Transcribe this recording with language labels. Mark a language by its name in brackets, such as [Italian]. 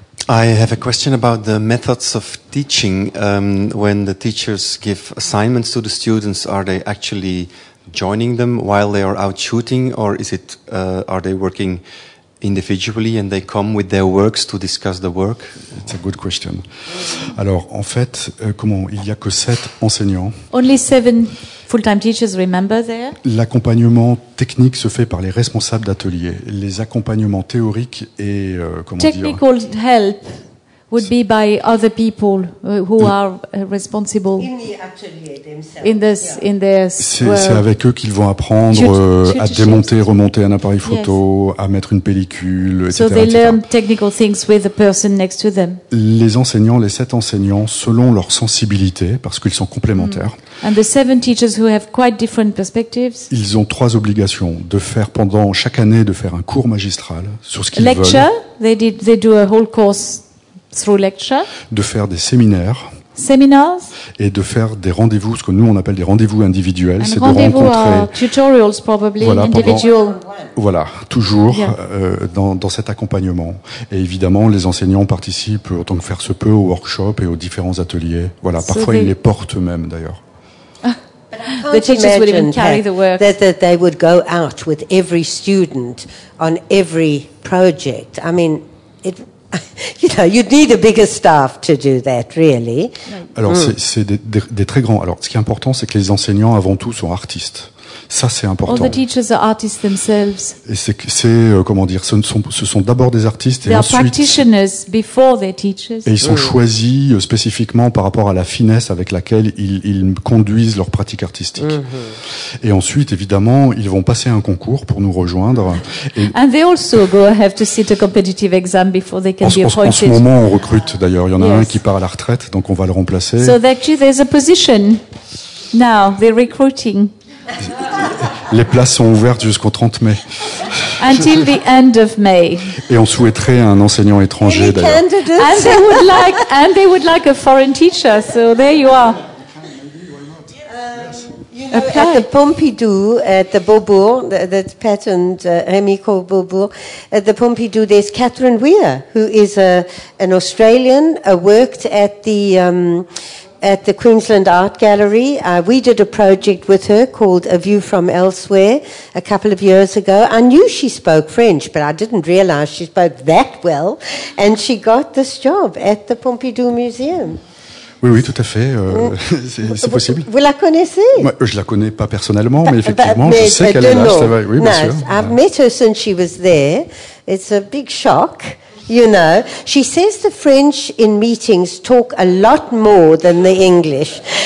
[English] I have a question about the methods of teaching. When the teachers give assignments to the students, are they actually joining them while they are out shooting, or is it are they working individually and they come with their works to discuss the work? It's a good question. [French] Alors, en fait, comment, il n'y a que 7 enseignants. [English] Only 7 full-time teachers, remember there? [French] L'accompagnement technique se fait par les responsables d'atelier. Les accompagnements théoriques et, comment [English] technical [French] dire... [English] Technical help would be by other people who are responsible in the atelier themselves. [French] C'est avec eux qu'ils vont apprendre à démonter, remonter un appareil photo, à mettre une pellicule, etc. [English] So they learn technical things with the person next to them. [French] Les enseignants, les 7 enseignants, selon leur sensibilité, parce qu'ils sont complémentaires. [English] And the 7 teachers who have quite different perspectives. [French] Ils ont 3 obligations de faire pendant chaque année de faire un cours magistral sur ce qu'ils [English] lecture, [French] veulent. [English] Lecture, they do a whole course. Through lecture, [French] de faire des séminaires, [English] seminars, [French] et de faire des rendez-vous, ce que nous on appelle des rendez-vous individuels, [English] and [French] c'est rendez-vous de rencontrer. [English] Tutorials, probably, [French] voilà, [English] individual. [French] Voilà, toujours dans cet accompagnement. Et évidemment, les enseignants participent autant que faire se peut aux workshops et aux différents ateliers. Voilà, parfois ils les portent même d'ailleurs. [English] The teachers would even carry the work. That they would go out with every student on every project. I mean, it. You know, you'd need a bigger staff to do that, really. [French] Alors, c'est des très grands. Alors, ce qui est important, c'est que les enseignants, avant tout, sont artistes. Ça, c'est important. [English] All the teachers are artists themselves. [French] Et c'est comment dire, ce sont d'abord des artistes et [English] they [French] ensuite. [English] They are practitioners before they're teachers. [French] Et ils sont choisis spécifiquement par rapport à la finesse avec laquelle ils conduisent leur pratique artistique. Mm-hmm. Et ensuite, évidemment, ils vont passer un concours pour nous rejoindre. Et [English] and they also go have to sit a competitive exam before they can be appointed. [French] En ce moment, on recrute d'ailleurs. Il y en a un qui part à la retraite, donc on va le remplacer. [English] So actually, there's a position now. They're recruiting. [French] Les places sont ouvertes jusqu'au 30 mai. [English] Until the end of May. [French] Et on souhaiterait un enseignant étranger d'ailleurs. [English] And they would like a foreign teacher. So there you are. At the Pompidou, at the Beaubourg, that's patterned, Rémy Corps Beaubourg, at the Pompidou, there's Catherine Weir, who is an Australian, worked at the. At the Queensland Art Gallery, we did a project with her called A View from Elsewhere a couple of years ago. I knew she spoke French, but I didn't realize she spoke that well. And she got this job at the Pompidou Museum. [French] Oui, oui, tout à fait. C'est possible. Vous la connaissez? Moi, je ne la connais pas personnellement, mais effectivement, je sais qu'elle est là. Oui, bien sûr. [English] I've met her since she was there. It's a big shock. You know, she says the French in meetings talk a lot more than the English.